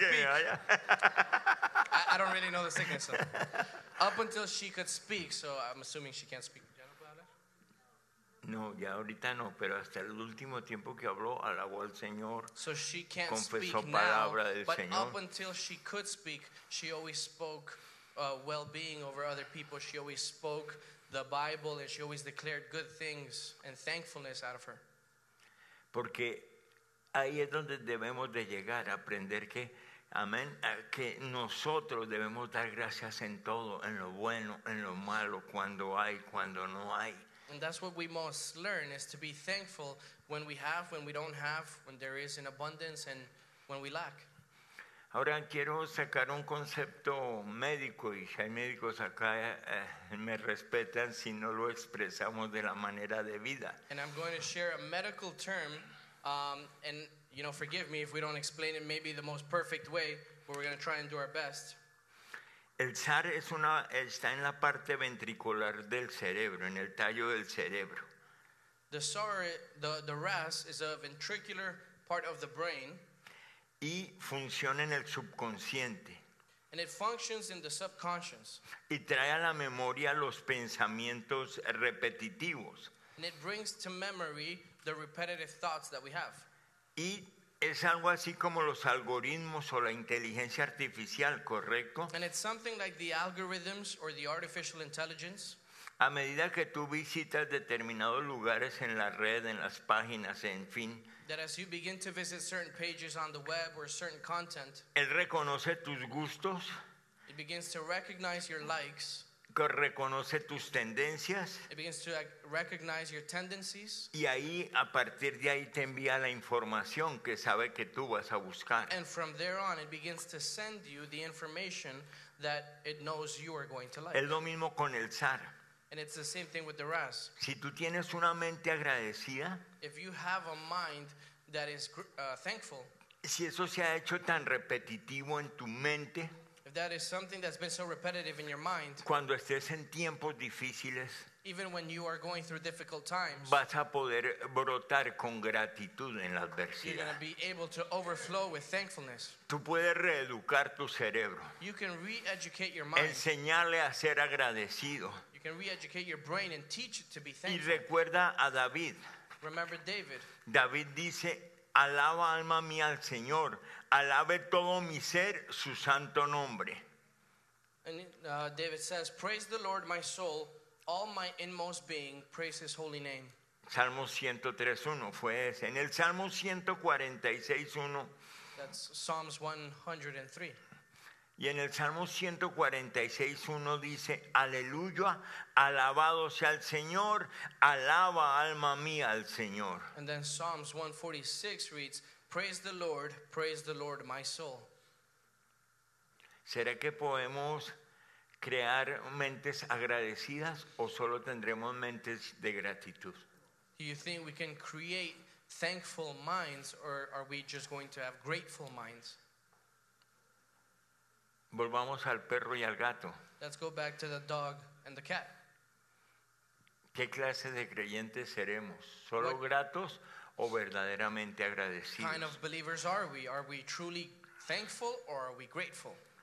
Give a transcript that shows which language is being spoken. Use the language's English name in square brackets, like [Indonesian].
[English] I don't really know the sickness. So. Up until she could speak, so I'm assuming she can't speak. [Spanish] No, ya ahorita no, pero hasta el último tiempo que habló, alabó al Señor, [English] so she can't [Spanish] confesó [English] speak [Spanish] palabra [English] now, [Spanish] del [English] but [Spanish] Señor. [English] Up until she could speak, she always spoke well-being over other people. She always spoke the Bible, and she always declared good things and thankfulness out of her. [Spanish] Porque ahí es donde debemos de llegar, aprender que, amén, que nosotros debemos dar gracias en todo, en lo bueno, en lo malo, cuando hay, cuando no hay. [English] And that's what we must learn, is to be thankful when we have, when we don't have, when there is an abundance, and when we lack. [Spanish] Ahora quiero sacar un concepto médico, y si hay médicos acá, me respetan si no lo expresamos de la manera debida. [English] And I'm going to share a medical term, and you know, forgive me if we don't explain it maybe the most perfect way, but we're going to try and do our best. [Spanish] El SAR es una, está en la parte ventricular del cerebro, en el tallo del cerebro. [English] The SAR, the RAS, is a ventricular part of the brain. [Spanish] Y funciona en el subconsciente. [English] And it functions in the subconscious. [Spanish] Y trae a la memoria los pensamientos repetitivos. [English] And it brings to memory the repetitive thoughts that we have. [Spanish] Y es algo así como los algoritmos o la inteligencia artificial, ¿correcto? [English] And it's something like the algorithms or the artificial intelligence. [Spanish] A medida que tú visitas determinados lugares en la red, en las páginas, en fin, [English] that as you begin to visit certain pages on the web or certain content, [Spanish] él reconoce tus gustos, [English] it begins to recognize your likes, [Spanish] reconoce tus tendencias, [English] it begins to recognize your tendencies, [Spanish] y ahí, a partir de ahí, te envía la información que sabe que tú vas a buscar. [English] And from there on, it begins to send you the information that it knows you are going to like. [Spanish] Es lo mismo con el SAR. [English] And it's the same thing with the RAS. [Spanish] Si tú tienes una mente agradecida, [English] if you have a mind that is thankful, [Spanish] si eso se ha hecho tan repetitivo en tu mente, [English] if that is something that's been so repetitive in your mind, [Spanish] cuando estés en tiempos difíciles, [English] even when you are going through difficult times, [Spanish] vas a poder brotar con gratitud en la adversidad. [English] You're going to be able to overflow with thankfulness. [Spanish] Tú puedes reeducar tu cerebro. [English] You can re-educate your mind. [Spanish] Enseñarle a ser agradecido. [English] You can re-educate your brain and teach it to be thankful. [Spanish] Y recuerda a David. [English] Remember David. [Spanish] David dice, alaba alma mía al Señor, alabe todo mi ser su santo nombre. [English] And David says, praise the Lord my soul, all my inmost being, praise his holy name. [Spanish] Salmo 103:1 fue ese. En el Salmo 146:1. [English] That's Psalms 103. [Spanish] Y en el Salmo 146:1 dice, aleluya, alabado sea el Señor, alaba alma mía al Señor. [English] And then Psalms 146 reads, praise the Lord, my soul. [Spanish] ¿Será que podemos crear mentes agradecidas o solo tendremos mentes de gratitud? [English] Do you think we can create thankful minds, or are we just going to have grateful minds? [Spanish] Volvamos al perro y al gato. [English] Let's go back to the dog and the cat. [Spanish] ¿Qué clase de creyentes seremos? ¿Solo gratos o verdaderamente agradecidos? [English] What kind of believers are we? Are we truly thankful or are we grateful?